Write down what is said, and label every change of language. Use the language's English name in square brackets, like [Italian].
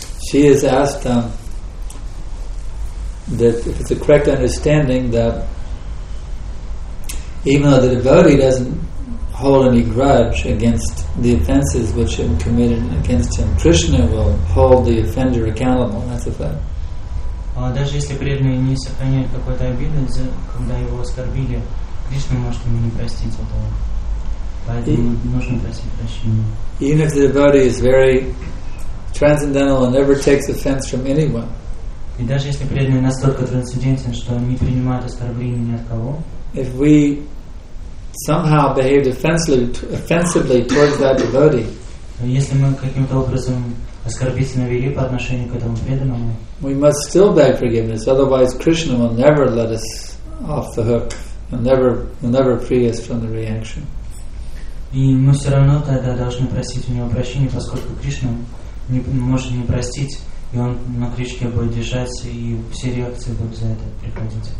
[English] She has asked that if it's a correct understanding that even though the devotee doesn't hold any grudge against the offenses which have been committed against him, Krishna will hold the offender accountable. That's a fact. [Russian] Даже если преданный не сохраняет какой-то обиды, когда его оскорбили, Кришна может ему не простить этого. Поэтому нужно просить прощения. [English] Even if the devotee is very transcendental and never takes offense from anyone. [Russian] И даже если преданный настолько трансцендентен, что он не принимает оскорбления ни от кого. [English] If we somehow behaved offensively towards that devotee, [Russian] если мы каким-то образом оскорбительно вели по отношению к этому преданному, [English] we must still beg forgiveness, otherwise Krishna will never let us off the hook and will never free us from the reaction. [Russian] И мы все равно тогда должны просить у него прощения, поскольку Кришна не может не простить, и он на крючке будет держаться, и все реакции будут за это приходить.